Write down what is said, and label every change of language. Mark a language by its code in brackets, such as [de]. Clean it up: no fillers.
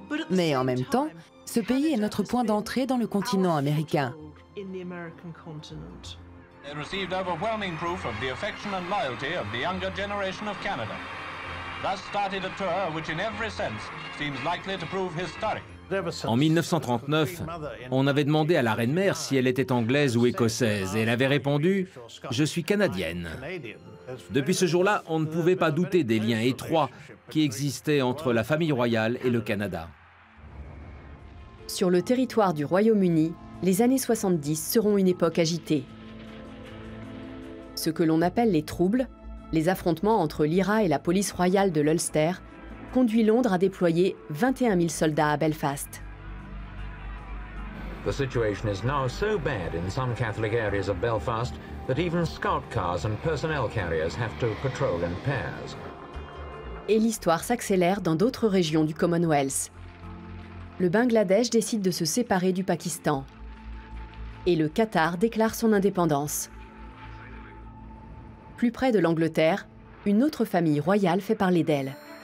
[fr] Mais en même temps, ce pays est notre point d'entrée dans le continent américain. [en] They received overwhelming proof of the affection and loyalty of the younger generation of Canada. Thus started a tour which in every sense seems likely to prove historic. [fr] En 1939, on avait demandé à la reine-mère si elle était anglaise ou écossaise, et elle avait répondu « Je suis canadienne ». Depuis ce jour-là, on ne pouvait pas douter des liens étroits qui existaient entre la famille royale et le Canada. Sur le territoire du Royaume-Uni, les années 70 seront une époque agitée. Ce que l'on appelle les troubles, les affrontements entre l'IRA et la police royale de l'Ulster, conduit Londres à déployer 21 000 soldats à Belfast. [en] The situation is now so bad in some Catholic areas of Belfast that even scout cars and personnel carriers have to patrol in pairs. [fr] Et l'histoire s'accélère dans d'autres régions du Commonwealth. Le Bangladesh décide de se séparer du Pakistan. Et le Qatar déclare son indépendance. Plus près de l'Angleterre, une autre famille royale fait parler d'elle.